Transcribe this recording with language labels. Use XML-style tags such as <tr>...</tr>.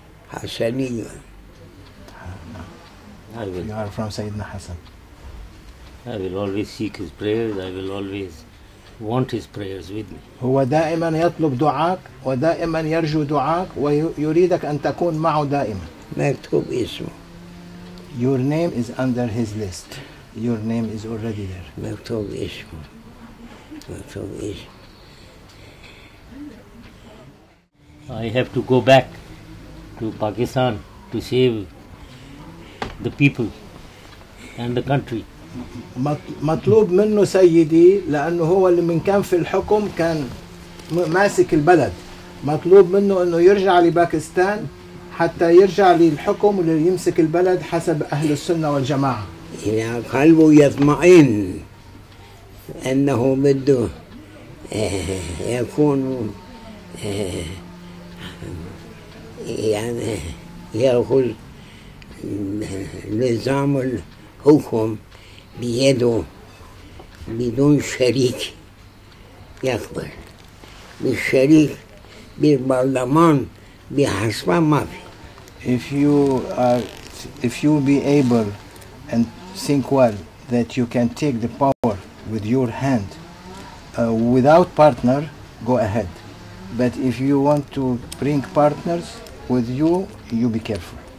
<ar>حسنيا. نعم.</ar> <en>I will. You are from Sayyidina Hassan. I will always seek his prayers. I will always want his prayers with me.</en> <ar>هو دائما يطلب دعاءك ودائما يرجو دعاءك ويريدك أن تكون معه دائما. مكتوب اسمه.</ar> <en>Your name is under his list. Your name is already there.</en> <ar>مكتوب اسمه. مكتوب اسمه.</ar> <en>I have to go back to Pakistan to save the people and the country.</en> <ar>مطلوب منه سيدي لأنه هو اللي من كان في الحكم كان ماسك البلد مطلوب منه أنه يرجع لباكستان حتى يرجع للحكم وليمسك البلد حسب أهل السنة والجماعة يعني قلبه يطمئن أنه بده يكون يعني يأخذ نظام الحكم بيده بدون شريك يقبل بالشريك بالبرلمان بحسب ما في.</ar> <en>If you are, if you be able and think well that you can take the power with your hand without partner, go ahead. But if you want to bring partners with you, you be careful.</en>